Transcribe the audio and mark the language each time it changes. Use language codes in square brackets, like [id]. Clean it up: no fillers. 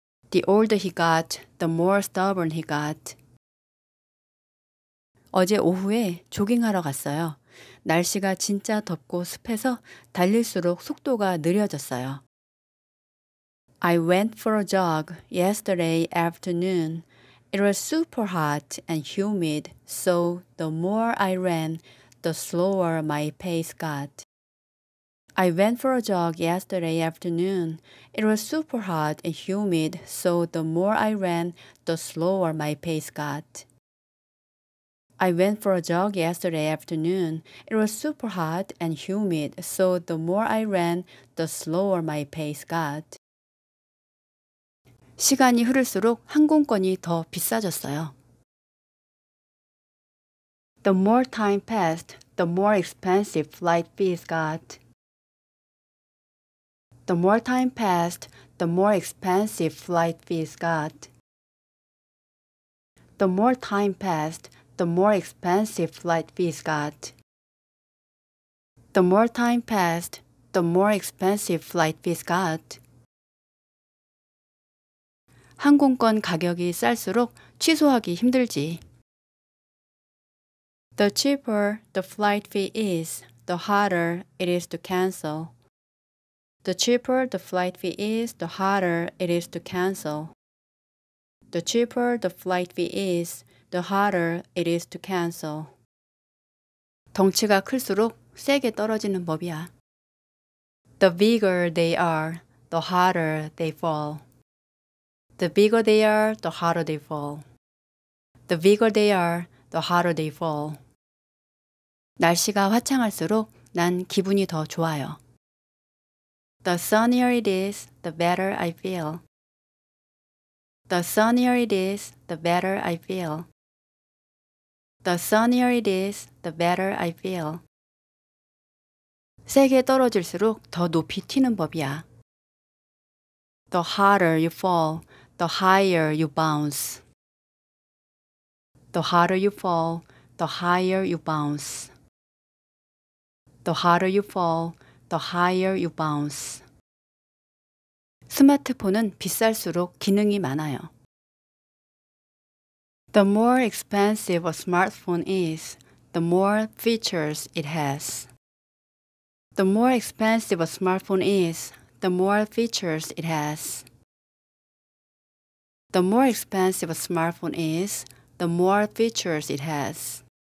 [en] The older he got, the more stubborn he got. [ko] 어제 오후에 조깅하러 갔어요. 날씨가 진짜 덥고 습해서 달릴수록 속도가 느려졌어요. [en] I went for a jog yesterday afternoon. It was super hot and humid, so the more I ran, the slower my pace got. I went for a jog yesterday afternoon. It was super hot and humid, so the more I ran, the slower my pace got. I went for a jog yesterday afternoon. It was super hot and humid, so the more I ran, the slower my pace got. [ko] 시간이 흐를수록 항공권이 더 비싸졌어요. [en] The more time passed, the more expensive flight fees got. The more time passed, the more expensive flight fees got. The more time passed, the more expensive flight fees got. The more time passed, the more expensive flight fees got. [ko] 항공권 가격이 쌀수록 취소하기 힘들지. [en] The cheaper the flight fee is, the harder it is to cancel. The cheaper the flight fee is, the harder it is to cancel. The cheaper the flight fee is, the harder it is to cancel. [ko] 덩치가 클수록 세게 떨어지는 법이야. [en] The bigger they are, the harder they fall. The bigger they are, the harder they fall. The bigger they are, the harder they fall. [ko] 날씨가 화창할수록 난 기분이 더 좋아요. [en] The sunnier it is, the better I feel. The sunnier it is, the better I feel. The sunnier it is, the better I feel. [ko] 세게 떨어질수록 더 높이 튀는 법이야. [en] The harder you fall, the higher you bounce. The harder you fall, the higher you bounce. The harder you fall, the higher you bounce. [ko] 스마트폰은 비쌀수록 기능이 많아요. [en] The more expensive a smartphone is, the more features it has. The more expensive a smartphone is, the more features it has. The more expensive a smartphone is, the more features it has.